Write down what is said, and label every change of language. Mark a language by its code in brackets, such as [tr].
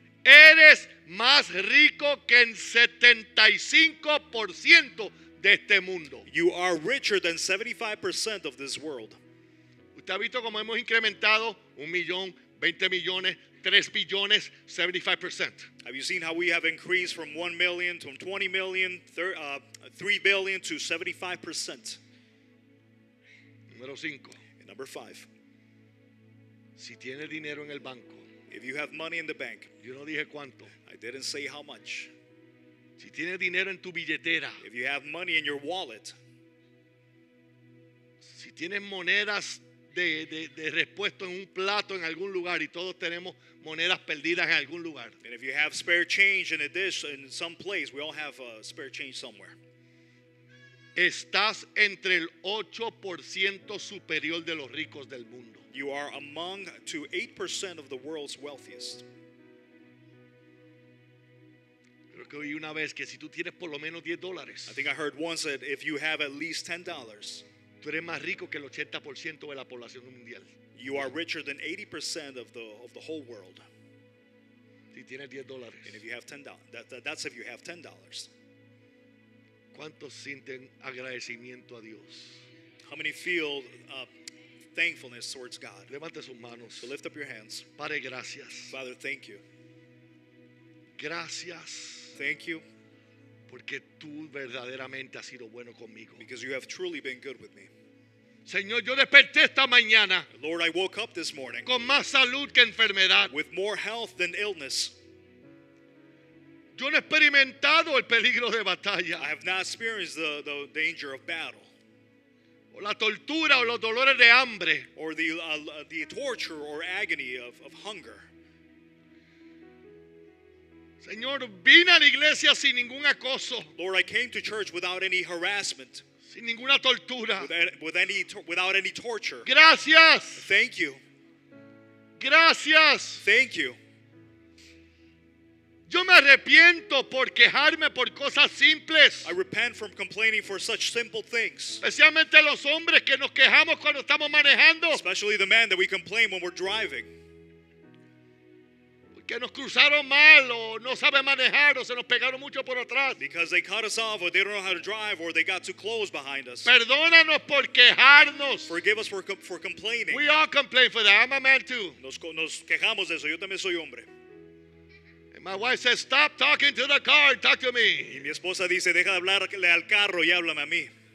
[es] Eres más rico que el 75% de este mundo. [en] You are richer than 75% of this world. [es] ¿Te has visto cómo hemos incrementado 1 millón, 20 millones, 3 billones, 75%? [en] Have you seen how we have increased from 1 million to 20 million, 3 billion to 75%? [es] Número cinco. [en] And number five. [es] Si tienes dinero en el banco. [en] If you have money in the bank. [es] Yo no dije cuánto. [en] I didn't say how much. [es] Si tienes dinero en tu billetera. [en] If you have money in your wallet. [es] Si tienes monedas de repuesto en un plato en algún lugar y todos tenemos monedas perdidas en algún lugar. [en] And if you have spare change in a dish in some place, we all have spare change somewhere. [es] Estás entre el 8% superior de los ricos del mundo. [en] You are among to 8% of the world's wealthiest. [es] Creo que oí una vez que si tú tienes por lo menos $10. [en] I think I heard once that if you have at least $10. [es] Tú eres más rico que el 80% de la población mundial. [en] You are richer than 80% of the whole world. [es] Si tienes $10. [en] And if you have $10, that's if you have $10. [es] ¿Cuántos sienten agradecimiento a Dios? [en] How many feel thankfulness towards God? [es] Levanta sus manos. [en] So lift up your hands. [es] Padre, gracias. [en] Father, thank you. [es] Gracias. [en] Thank you. [es] Porque tú verdaderamente has sido bueno conmigo. [en] Because you have truly been good with me. [es] Señor, yo desperté esta mañana. [en] Lord, I woke up this morning. [es] Con más salud que enfermedad. [en] With more health than illness. [es] Yo no he experimentado el peligro de batalla. [en] I have not experienced the danger of battle. [es] o la tortura o los dolores de hambre, [en] or the torture or agony of hunger. [es] Señor, vine a la iglesia sin ningún acoso. [en] Lord, I came to church without any harassment. [es] Sin ninguna tortura. [en] Without any torture. [es] Gracias. [en] Thank you. [es] Gracias. [en] Thank you. [es] Yo me arrepiento por quejarme por cosas simples. [en] I repent from complaining for such simple things. [es] Especialmente los hombres que nos quejamos cuando estamos manejando. [en] Especially the men that we complain when we're driving. [es] Que nos cruzaron mal o no sabe manejar o se nos pegaron mucho por atrás. [en] Because they cut us off or they don't know how to drive or they got too close behind us. [es] Perdónanos por quejarnos. [en] Forgive us for complaining. We all complain for that. I'm a man too. [es] Nos quejamos de eso. Yo también soy hombre. [en] And my wife says, stop talking to the car. Talk to me. [es] Y mi esposa dice, deja de hablarle al carro y háblame a mí.